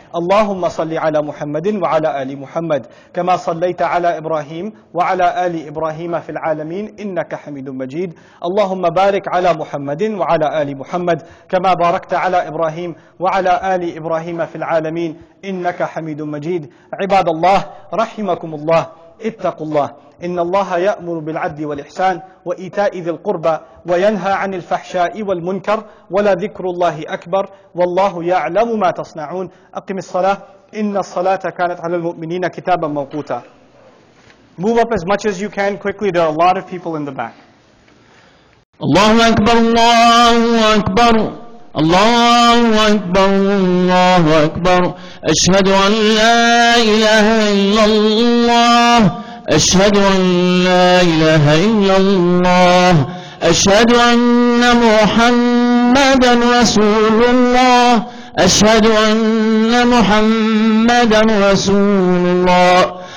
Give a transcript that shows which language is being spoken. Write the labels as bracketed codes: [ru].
[ar] اللهم صل على محمد وعلى آل محمد كما صليت على إبراهيم وعلى آل إبراهيم في العالمين إنك حميد مجيد اللهم بارك على محمد وعلى آل محمد كما باركت على إبراهيم وعلى آل إبراهيم في العالمين إنك حميد مجيد عباد الله رحمكم الله اتقوا الله إن الله يأمر بالعدل والإحسان وإيتاء ذي القربى وينهى عن الفحشاء والمنكر ولذكر الله أكبر والله يعلم ما تصنعون أقم الصلاة إن الصلاة كانت على المؤمنين كتابا موقوتا. [en] Move up as much as you can quickly, there are a lot of people in the back. [ar] الله أكبر الله أكبر الله أكبر الله أكبر أشهد أن لا إله إلا الله أشهد أن لا إله إلا الله أشهد أن محمدا رسول الله أشهد أن محمدا رسول الله